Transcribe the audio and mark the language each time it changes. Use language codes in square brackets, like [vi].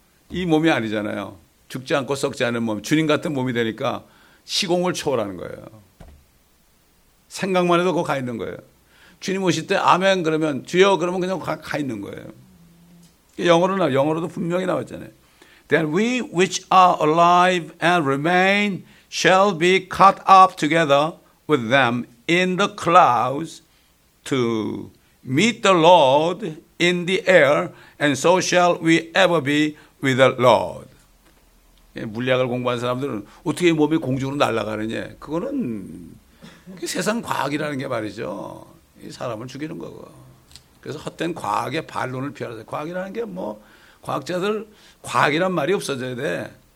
[ko] 이 몸이 아니잖아요. 죽지 않고 썩지 않은 몸. 주님 같은 몸이 되니까 시공을 초월하는 거예요. 생각만 해도 거기 가 있는 거예요. 주님 오실 때 아멘 그러면 주여 그러면 그냥 가 있는 거예요. 영어로도 분명히 나왔잖아요. [en] Then we which are alive and remain shall be caught up together with them in the clouds to meet the Lord in the air and so shall we ever be with the Lord. [ko] 물리학을 공부한 사람들은 어떻게 몸이 공중으로 날아가느냐. 그거는 세상 과학이라는 게 말이죠. 이 사람을 죽이는 거고. 그래서 헛된 과학의 반론을 피하라. 과학이라는 게 뭐 과학자들 과학이란 말이 없어져야 돼.